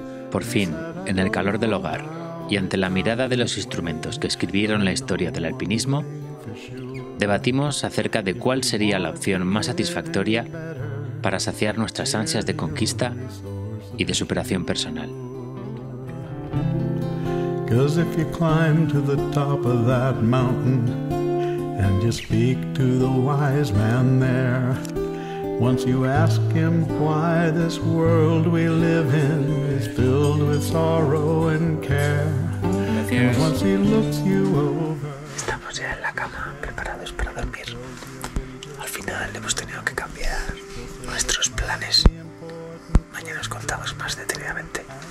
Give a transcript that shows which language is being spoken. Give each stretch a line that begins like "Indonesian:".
Spanish: Por fin, en el calor del hogar y ante la mirada de los instrumentos que escribieron la historia del alpinismo, debatimos acerca de cuál sería la opción más satisfactoria para saciar nuestras ansias de conquista y de superación personal.
English: Because if you climb to the top of that mountain and you speak to the wise man there, once you ask him why this world we live in is filled with sorrow and care, and once he looks you over.
Spanish: Estamos ya en la cama, preparados para dormir. Al final hemos tenido que cambiar nuestros planes. Mañana os contamos más detenidamente.